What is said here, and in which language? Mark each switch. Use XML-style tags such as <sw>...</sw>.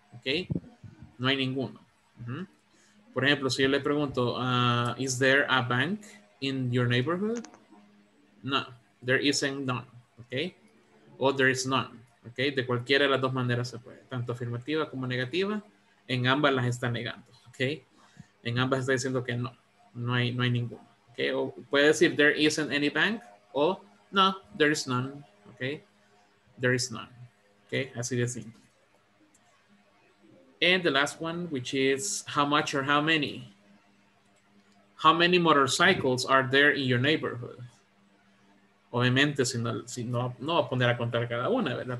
<es>Okay, no hay ninguno. Mm-hmm. Por ejemplo, si yo le pregunto,</es> <en>is there a bank in your neighborhood?</en> <es>No,</es> <en>There isn't none, okay? O there is none, okay?</en> <es>De cualquiera de las dos maneras se puede, tanto afirmativa como negativa. En ambas las está negando, okay? En ambas está diciendo que no, no hay ninguno, okay? O puede decir</es> <en>there isn't any bank, o no, there is none, okay? There is none, okay?</en> <es>Así de simple.</es> <en>And the last one, which is how much or how many? How many motorcycles are there in your neighborhood?</en> <es>Obviamente, si no va a poner a contar cada una, ¿verdad?</es>